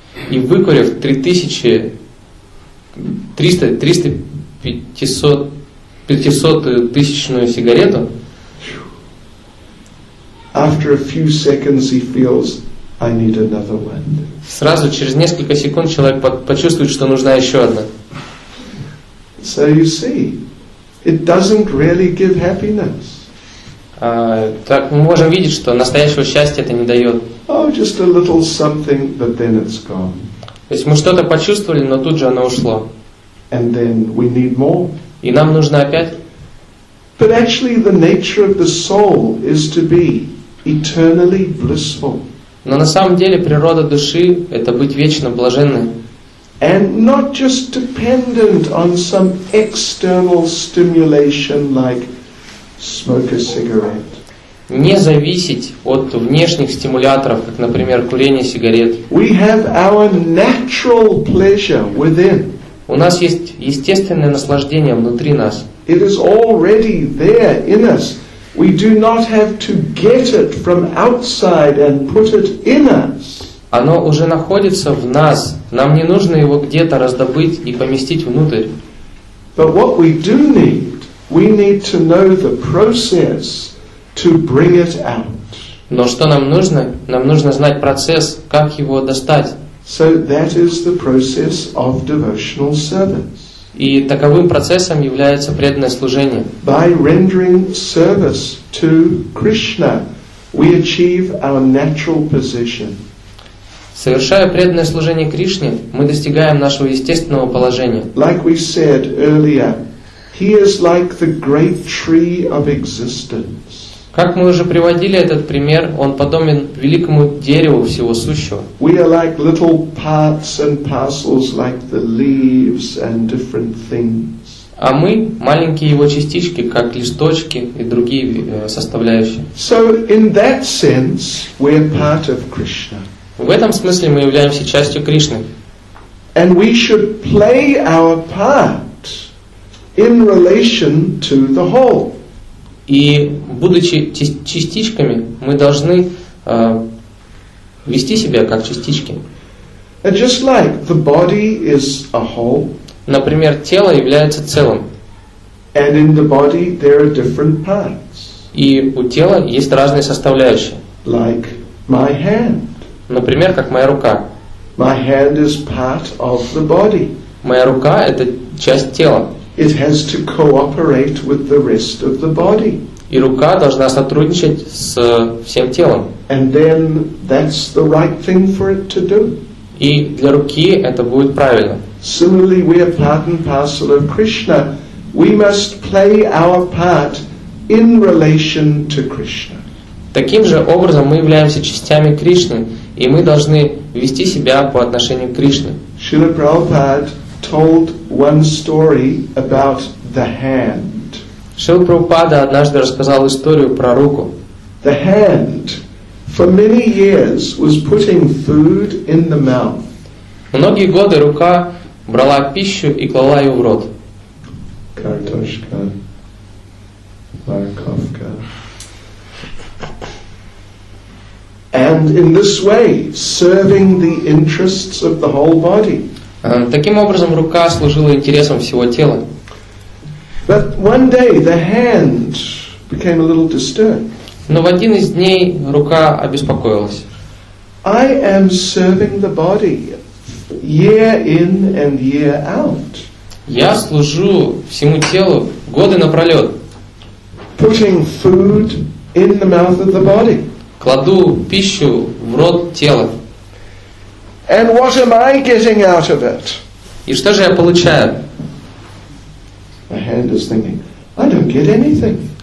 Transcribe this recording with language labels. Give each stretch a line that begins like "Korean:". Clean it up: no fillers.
Russian: и выкурив 3300-500-тысячную сигарету.
English: After a few seconds he feels I need another one.
Russian: Сразу через несколько секунд человек почувствует, что нужна еще одна.
English: So you see, it doesn't really give happiness.
Russian: Так мы можем видеть, что настоящего счастья это не дает.
English: Oh, just a little something, but then it's gone.
Russian: То есть мы что-то почувствовали, но тут же оно ушло.
English: And then we need more.
Russian: И нам нужно опять.
English: But actually, the nature of the soul is to be eternally blissful.
Russian: Но на самом деле природа души — это быть вечно блаженным.
English: And not just dependent on some external stimulation like smoke a cigarette.
Russian: Не зависеть от внешних стимуляторов, как, например, курение сигарет.
English: We have our natural pleasure within.
Russian: У нас есть естественное наслаждение внутри нас.
English: It is already there in us. We do not have to get it from outside and put it in us.
Russian: Оно уже находится в нас. Нам не нужно его где-то раздобыть и поместить внутрь.
English: But what we do need, we need to know the process to bring it out.
Russian: Но что нам нужно? Нам нужно знать процесс, как его достать.
English: So that is the process of devotional service.
Russian: И таковым процессом является преданное служение.
English: By rendering service to Krishna, we achieve our natural position.
Russian: Совершая преданное служение Кришне, мы достигаем нашего естественного положения.
English: Like we said earlier, he is like the great tree of existence.
Russian: Как мы уже приводили этот пример, он подобен великому дереву всего сущего.
English: We are like little parts and parcels, like the leaves and different things.
Russian: А мы маленькие его частички, как листочки и другие составляющие.
English: So in that sense, we are part of Krishna.
Russian: В этом смысле мы являемся частью Кришны.
English: And we should play our part in relation to the whole.
Russian: И будучи частичками, мы должны вести себя как частички.
English: And just like the body is a whole.
Russian: Например, тело является целым.
English: And in the body there are different parts.
Russian: И у тела есть разные составляющие.
English: Like my hand.
Russian: Например, как моя рука.
English: My hand is part of the body.
Russian: Моя рука — это часть тела.
English: It has to cooperate with the rest of the body.
Russian: И рука должна сотрудничать с всем телом.
English: And then that's the right thing for it to do.
Russian: И для руки это будет правильно.
English: Similarly, we are part and parcel of Krishna. We must play our part in relation to Krishna.
Russian: Таким же образом мы являемся частями Кришны. И мы должны вести себя по отношению к Кришне.
English: Шрила Прабхупад told one story about the hand.
Russian: Шрила Прабхупада однажды рассказал историю про руку.
English: The hand for many years was putting food in the mouth.
Russian: Многие годы рука брала пищу и клала ее в рот. Картошка. Морковка.
English: And in this way, serving the interests of the whole body.
Russian: Таким образом, рука служила интересам всего тела.
English: But one day the hand became a little disturbed.
Russian: Но в один из дней рука обеспокоилась.
English: I am serving the body year in and year out.
Russian: Я служу всему телу годы напролет.
English: Putting food in the mouth of the body.
Russian: Кладу пищу в рот тела.
English: And what am I getting out of it?
Russian: И что же я получаю?
English: My hand is thinking, I don't get anything.